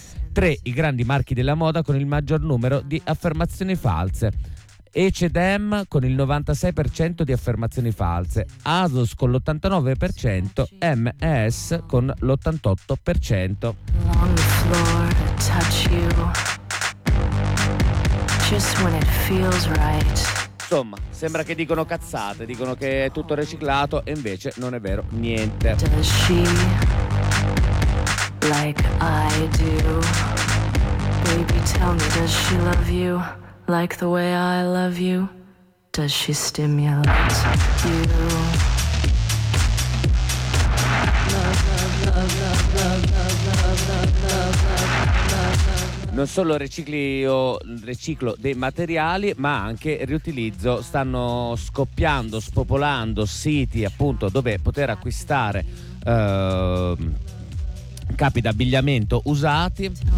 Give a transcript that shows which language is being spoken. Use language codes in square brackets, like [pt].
[it] 3 i grandi marchi della moda con il maggior numero di affermazioni false: H&M con il 96% di affermazioni false, ASOS con l'89%, MS con l'88%. [en] On the floor, touch you. Just when it feels right. [it] Insomma, sembra che dicono cazzate, dicono che è tutto riciclato e invece non è vero niente. [en] Does she like I do? Baby, tell me, does she love you? Like the way I love you, does she stimulate you? Love, love, love, [it] non solo riciclo dei materiali, ma anche riutilizzo. Stanno scoppiando, spopolando siti, appunto, dove poter acquistare capi d'abbigliamento usati.